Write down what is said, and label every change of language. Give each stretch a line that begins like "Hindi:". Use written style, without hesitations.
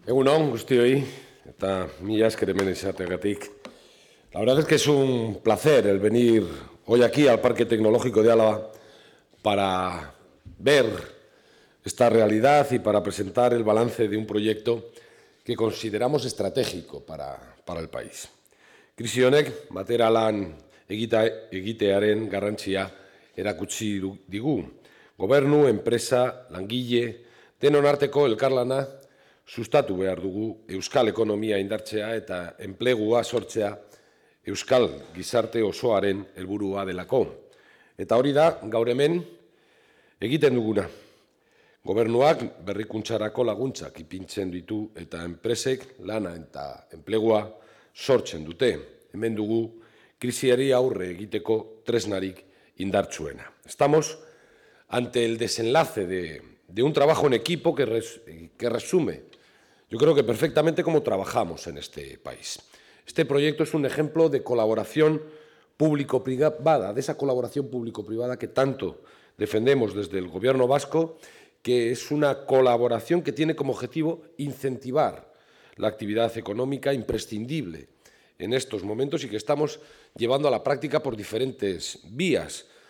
Basque: Egunon, guztioi, eta mila esker hemen izateagatik.
Spanish: La verdad es que es un placer el venir hoy aquí al Parque Tecnológico de Álava para ver esta realidad y para presentar el balance de un proyecto que consideramos estratégico para el país.
Basque: Krisi honek batera lan egitearen garrantzia erakutsi digu. Gobernu, enpresa, langile, denon arteko elkarlana sustatu behar dugu euskal ekonomia indartzea eta enplegua sortzea euskal gizarte osoaren helburua delako. Eta hori da gaur hemen egiten duguna. Gobernuak berrikuntzarako laguntzak ipintzen ditu eta enpresek lana eta enplegua sortzen dute. Hemen dugu krisiari aurre egiteko tresnarik indartsuena.
Spanish: Estamos ante el desenlace de un trabajo en equipo que resume, yo creo que perfectamente, cómo trabajamos en este país. Este proyecto es un ejemplo de colaboración público-privada, de esa colaboración público-privada que tanto defendemos desde el Gobierno vasco, que es una colaboración que tiene como objetivo incentivar la actividad económica imprescindible en estos momentos y que estamos llevando a la práctica por diferentes vías.